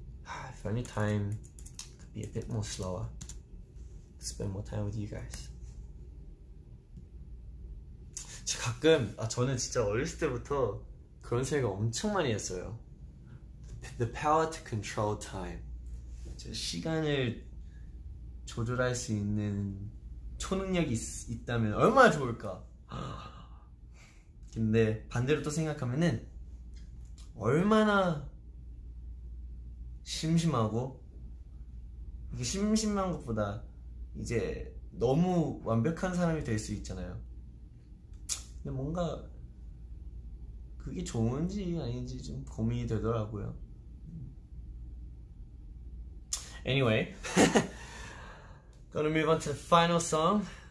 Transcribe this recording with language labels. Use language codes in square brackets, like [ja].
[en] If only time could be a bit more slower, spend more time with you guys. [ko] 가끔 저는 진짜 어렸을 때부터 그런 생각 엄청 많이 했어요. [en] The power to control time. [ko] 시간을 조절할 수 있는 초능력이 있다면 얼마나 좋을까. 근데 반대로 또 생각하면은 얼마나 심심하고, 이게 심심한 것보다 이제 너무 완벽한 사람이 될 수 있잖아요. 근데 뭔가 그게 좋은지 아닌지 좀 고민이 되더라고요. [en] Anyway, gonna move on to the final song.